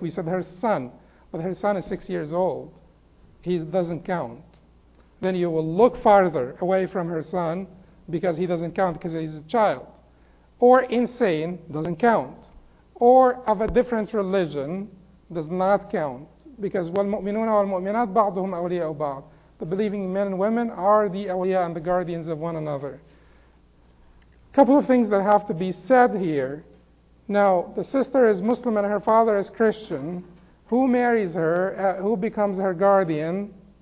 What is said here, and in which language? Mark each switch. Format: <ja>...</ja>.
<en>We said her son, but her son is 6 years old. He doesn't count. Then you will look farther away from her son because he doesn't count because he's a child. Or insane, doesn't count. Or of a different religion, does not count. Because</en> <ar>وَالْمُؤْمِنُونَ وَالْمُؤْمِنَاتِ بَعْضُهُمْ أَوْلِيَاءُ بَعْضٍ.</ar> <en>The believing men and women are the awliya and the guardians of one another. A couple of things that have to be said here. Now, the sister is Muslim and her father is Christian. Who marries her? Who becomes her guardian?</en>